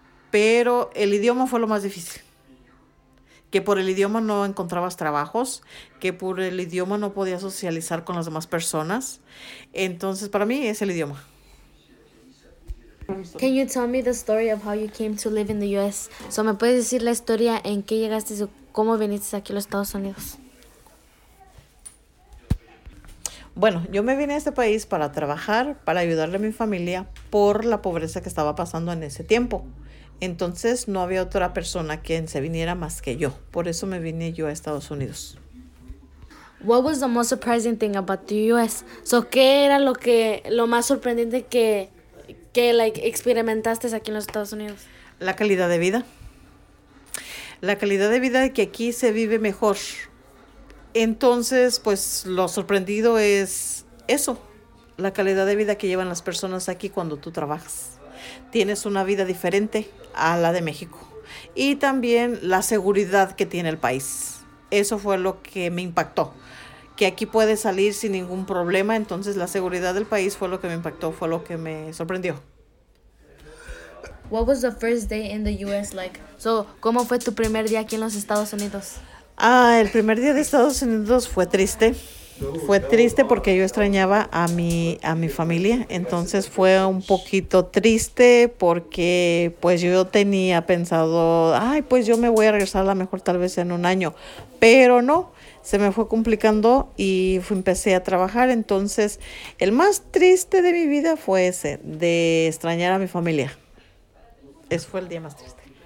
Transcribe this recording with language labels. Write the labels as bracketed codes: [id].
[es] Pero el idioma fue lo más difícil. Que por el idioma no encontrabas trabajos, que por el idioma no podías socializar con las demás personas. Entonces, para mí es el idioma. [en] Can you tell me the story of how you came to live in the US? [es] So, ¿me puedes decir la historia en qué llegaste o cómo viniste aquí a los Estados Unidos? Bueno, yo me vine a este país para trabajar, para ayudarle a mi familia por la pobreza que estaba pasando en ese tiempo. Entonces, no había otra persona quien se viniera más que yo. Por eso me vine yo a Estados Unidos. [en] What was the most surprising thing about the U.S.? [es] So, ¿qué era lo más sorprendente que experimentaste aquí en los Estados Unidos? La calidad de vida. La calidad de vida de que aquí se vive mejor. Entonces, pues, lo sorprendido es eso. La calidad de vida que llevan las personas aquí cuando tú trabajas. Tienes una vida diferente a la de México. Y también la seguridad que tiene el país. Eso fue lo que me impactó. Que aquí puedes salir sin ningún problema. Entonces la seguridad del país fue lo que me impactó, fue lo que me sorprendió. [en] What was the first day in the US like? [es] So, ¿cómo fue tu primer día aquí en los Estados Unidos? Ah, el primer día de Estados Unidos fue triste. Fue triste porque yo extrañaba a mi familia, entonces fue un poquito triste porque pues yo tenía pensado, ay, pues yo me voy a regresar a lo mejor tal vez en un año, pero no, se me fue complicando y empecé a trabajar, entonces el más triste de mi vida fue ese, de extrañar a mi familia, ese fue el día más triste.